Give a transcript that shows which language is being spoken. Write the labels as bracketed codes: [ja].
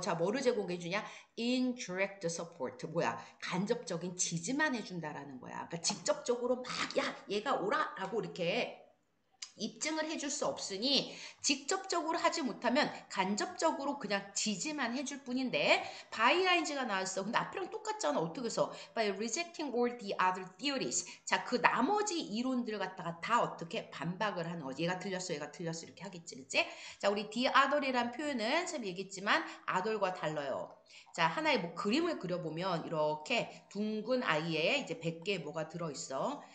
[ko] 자, 뭐를 제공해주냐? [en] Indirect support. [ko] 뭐야? 간접적인 지지만 해준다라는 거야. 그러니까 직접적으로 막, 야, 얘가 오라! 라고 이렇게 입증을 해줄 수 없으니 직접적으로 하지 못하면 간접적으로 그냥 지지만 해줄 뿐인데 by ing가 나왔어. 근데 앞이랑 똑같잖아. 어떻게 써? [en] By rejecting all the other theories. [ko] 자, 그 나머지 이론들을 갖다가 다 어떻게 반박을 하는 거지. 얘가 틀렸어, 얘가 틀렸어 이렇게 하겠지, 그치? 자, 우리 the other이란 표현은 선생님 얘기했지만 other과 달라요. 자, 하나의 뭐 그림을 그려보면 이렇게 둥근 아이에 이제 100개 뭐가 들어있어.